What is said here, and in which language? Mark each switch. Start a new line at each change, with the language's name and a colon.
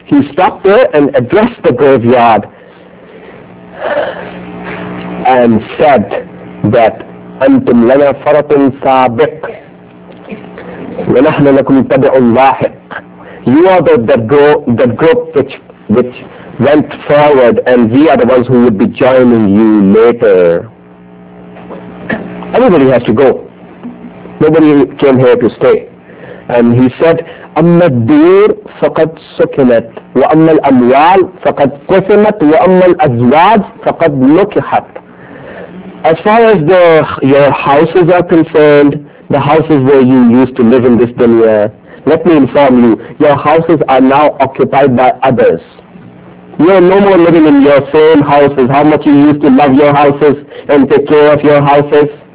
English: He stopped there and addressed the graveyard and said that,
Arabic: أَنْتُمْ لَنَا فَرَطٌ سَابِقٌ وَنَحْنَ لَكُمْ تَبِعٌ لَاحِقٌ.
English: You are the group which went forward, and we are the ones who would be joining you later. Everybody has to go. Nobody came here to stay. And he said,
Arabic: أَمَّا الدِّيرُ فَقَدْ سُكِنَتْ وَأَمَّا الْأَمْوَالُ فَقَدْ قُسِمَتْ وَأَمَّا الْأَزْوَاجُ فَقَدْ نُكِحَتْ.
English: As far as your houses are concerned, the houses where you used to live in this dunya, let me inform you, your houses are now occupied by others. You are no more living in your same houses. How much you used to love your houses and take care of your houses.